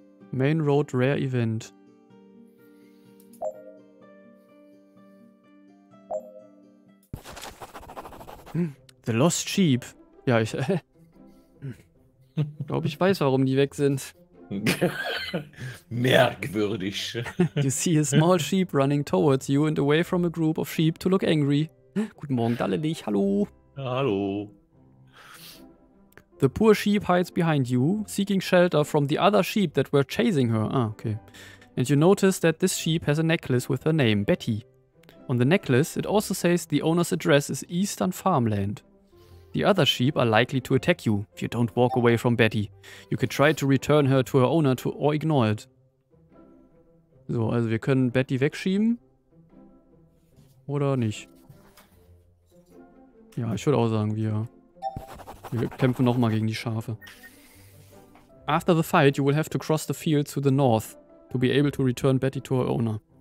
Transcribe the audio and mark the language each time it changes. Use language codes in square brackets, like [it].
[en] Main Road Rare Event. The Lost Sheep. [de] Ja, ich glaube, ich weiß, warum die weg sind. Merkwürdig. [en] You see a small sheep running towards you and away from a group of sheep to look angry. [de] Guten Morgen, Dallelich, hallo. Hallo. [en] The poor sheep hides behind you, seeking shelter from the other sheep that were chasing her. Ah, okay. And you notice that this sheep has a necklace with her name, Betty. On the necklace, it also says the owner's address is Eastern Farmland. The other sheep are likely to attack you if you don't walk away from Betty. You could try to return her to her owner to or ignore it. [de] So, also wir können Betty wegschieben. Oder nicht. Ja, ich würde auch sagen, wir kämpfen nochmal gegen die Schafe. [en] After the fight, you will have to cross the field to the north to be able to return Betty to her owner.